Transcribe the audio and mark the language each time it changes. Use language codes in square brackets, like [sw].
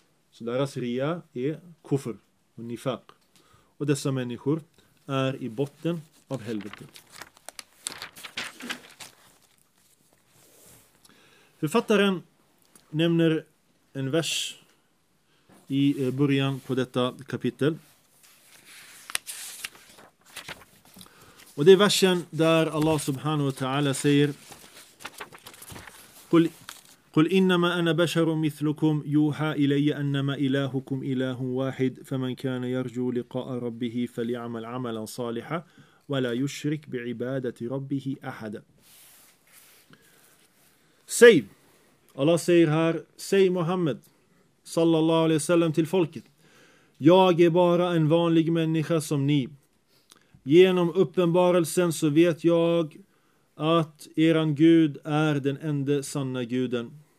[sv] Så deras ria är kufr och nifaq. Och dessa människor är i botten av helvetet. Författaren nämner en vers i början på detta kapitel. Och det är versen där Allah subhanahu wa ta'ala säger: [ar] قل إنما أنا بشر مثلكم يوحى إلي أنما إلهكم إله واحد فمن كان يرجو لقاء ربه فليعمل عملا صالحا ولا يشرك بعبادة ربه أحدا. [sv] Säg, Allah säger här, säg Muhammad sallallahu alaihi wasallam till folket: jag är bara en vanlig människa som ni. Genom uppenbarelsen så vet jag att eran Gud är den enda sanna guden.